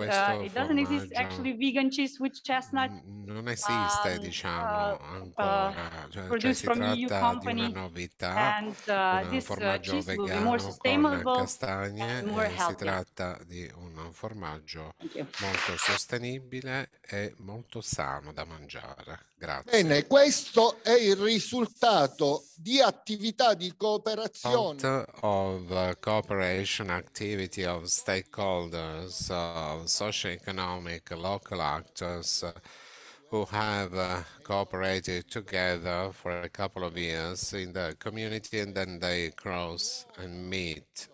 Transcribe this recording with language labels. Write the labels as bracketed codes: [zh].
[en] It doesn't exist actually vegan cheese with chestnut. [it] Non esiste, diciamo, ancora. [en] Produced from EU company. And this cheese will be more sustainable and more healthy. [it] Si tratta di un formaggio molto sostenibile e molto sano da mangiare. Grazie. Bene, questo è il risultato di attività di cooperazione. [en] Part of cooperation activity of stakeholders, of socio-economic local actors who have cooperated together for a couple of years in the community, and then they cross and meet.